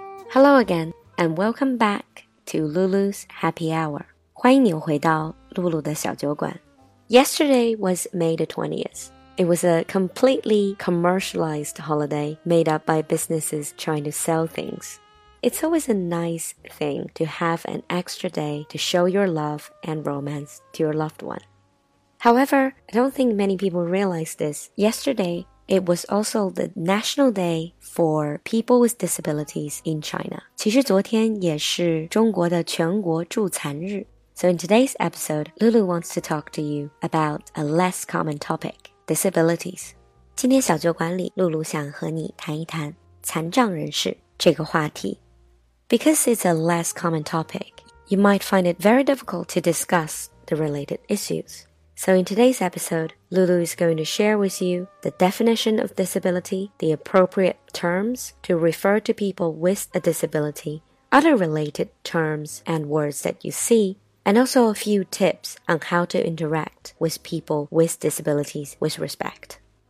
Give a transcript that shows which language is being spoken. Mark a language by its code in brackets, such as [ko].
[en] Hello again, and welcome back to Lulu's Happy Hour. [zh] 欢迎你回到露露的小酒馆。 [en] Yesterday was May the 20th. It was a completely commercialized holiday made up by businesses trying to sell things. It's always a nice thing to have an extra day to show your love and romance to your loved one. However, I don't think many people realize this. Yesterday,It was also the National Day for People with Disabilities in China. [zh] 其实昨天也是中国的全国助残日。 [en] So in today's episode, Lulu wants to talk to you about a less common topic, disabilities. [zh] 今天小酒馆里 Lulu 想和你谈一谈残障人士这个话题。 [en] Because it's a less common topic, you might find it very difficult to discuss the related issues. So in today's episode, Lulu is going to share with you the definition of disability, the appropriate terms to refer to people with a disability, other related terms and words that you see, and also a few tips on how to interact with people with disabilities with respect.